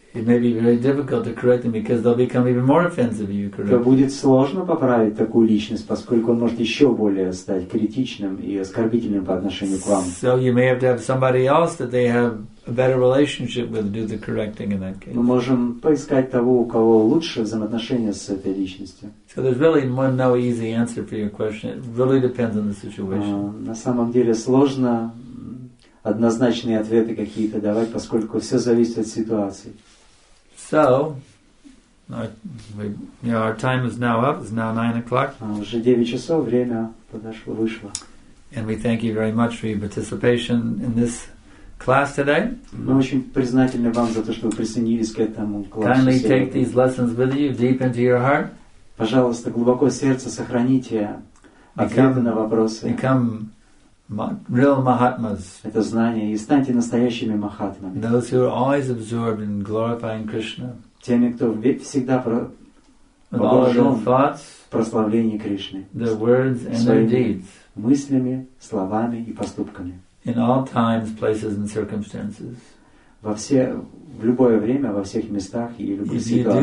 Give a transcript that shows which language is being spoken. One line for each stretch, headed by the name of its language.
English: it may be very difficult to correct them because they'll become even more offensive if you correct.
Russian: То будет сложно поправить такую личность, поскольку он может еще более стать критичным и оскорбительным по отношению к вам.
English: So you may have to have somebody else that they have a better relationship with do the correcting in that case.
Russian: Мы можем поискать того, у кого лучше взаимоотношения с этой личностью.
English: So there's really no easy answer for your question. It really depends on the situation.
Russian: На самом деле сложно однозначные ответы какие-то давать, поскольку все зависит от ситуации.
English: So, our time is now up. It's now 9 o'clock.
Russian: Уже 9 часов, время подошло, вышло.
English: And we thank you very much for your participation in this class today.
Russian: Мы очень признательны вам за то, что вы присоединились к этому классу.
English: Kindly take these lessons with you deep into your heart.
Russian: Пожалуйста, глубоко в сердце сохраните ответы на вопросы.
English: Real mahatmas.
Russian: Это знание. И станьте настоящими махатмами.
English: Those who are always absorbed in glorifying Krishna.
Russian: Теми, кто всегда погружен в прославление Кришны.
English: Their words and their deeds.
Russian: Мыслями, словами и поступками.
English: In all times, places and circumstances.
Russian: В любое время, во всех местах и любых ситуациях.